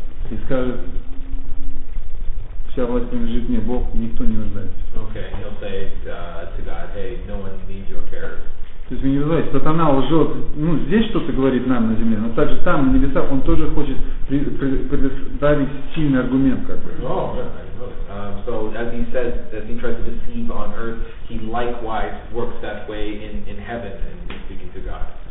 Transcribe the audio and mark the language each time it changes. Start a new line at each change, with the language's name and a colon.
Russian: И скажет, вся власть принадлежит мне, Бог, никто не нуждается.
English: Okay, he'll say to God, hey, no one needs your care.
Russian: То есть вы не понимаете, сатана лжет, ну здесь что-то говорит нам на земле, но также там, на небесах, он тоже хочет предоставить сильный аргумент, как бы.
English: Oh, yeah, So as he says, as he tries to deceive on earth, he likewise works that way in heaven and speaking to God.